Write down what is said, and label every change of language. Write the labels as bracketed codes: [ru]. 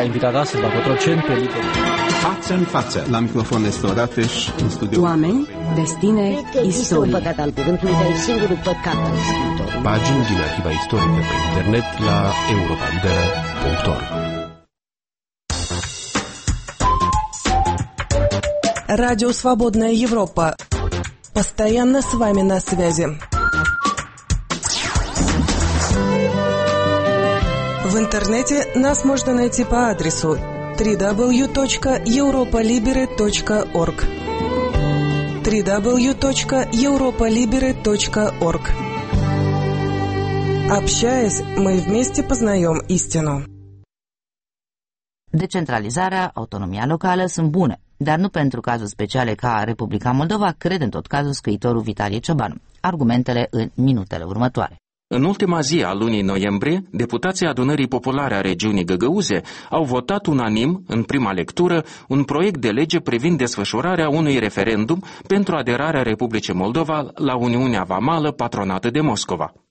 [ro] Invitata astăzi la Cotroceni pe Litor. Față în față, la microfon Nestor Rateș, în studio. Oameni, destine, istorie. Este păcat al cuvântului, dar e singurul păcat al scriitorului. Pagini din Arhiva Istorică pe internet la europalibera.org. [ru] Радио «Свободная Европа». Постоянно с вами на связи. В интернете нас можно найти по адресу www.europalibere.org. www.europalibere.org. Общаясь, мы вместе познаем истину. [ro] Децентрализация, автономия локала sunt bune. Dar nu pentru cazuri speciale ca Republica Moldova, cred în tot cazul scriitorul Vitalie Ciobanu. Argumentele în minutele următoare. În ultima zi a lunii noiembrie, deputații Adunării Populare a regiunii Găgăuze au votat unanim, în prima lectură, un proiect de lege privind desfășurarea unui referendum pentru aderarea Republicii Moldova la Uniunea Vamală patronată de Moscova.